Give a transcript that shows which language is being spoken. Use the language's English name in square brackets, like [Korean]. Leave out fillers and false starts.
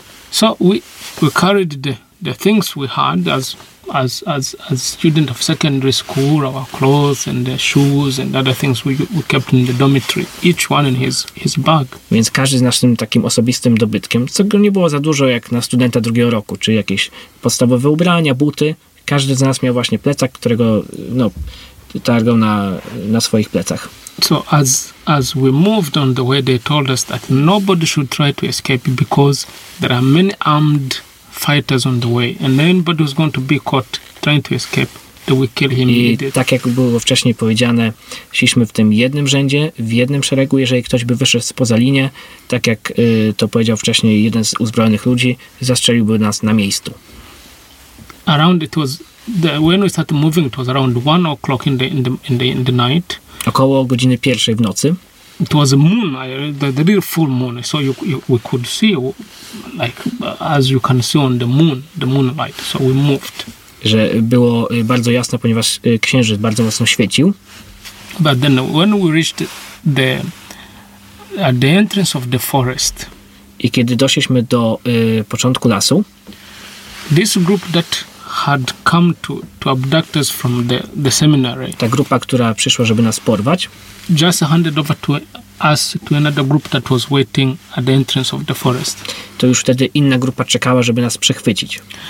[English] So we carried the things we had as student of secondary school, our clothes and the shoes and other things we kept in the dormitory, each one in his bag. [Polish] Więc każdy z naszym takim osobistym dobytkiem, co nie było za dużo jak na studenta drugiego roku, czy jakieś podstawowe ubrania, buty, każdy z nas miał właśnie plecak, którego targał na swoich plecach. [English] So as we moved on the way, they told us that nobody should try to escape because there are many armed fighters on the way, and anybody who's going to be caught trying to escape, they will kill him. [Polish] I tak jak było wcześniej powiedziane, szliśmy w tym jednym rzędzie, w jednym szeregu, jeżeli ktoś by wyszedł spoza linię, tak jak to powiedział wcześniej jeden z uzbrojonych ludzi, zastrzeliłby nas na miejscu. [English] Around it was the, when we started moving, it was around 1 o'clock in the night. [Polish] Około godziny pierwszej w nocy. [English] It was a moon, the real full moon, so we could see, like as you can see on the moonlight. So we moved. [Polish] Że było bardzo jasne, ponieważ księżyc bardzo mocno świecił. [English] But then when we reached the entrance of the forest. [Polish] I kiedy doszliśmy do początku lasu. [English] This group that had come to abduct us from the seminary. [Polish] Ta grupa, która przyszła, żeby nas porwać. [English] Just handed over to us to another group that was waiting at the entrance of the forest. [Polish] To już wtedy inna grupa czekała, żeby nas przechwycić.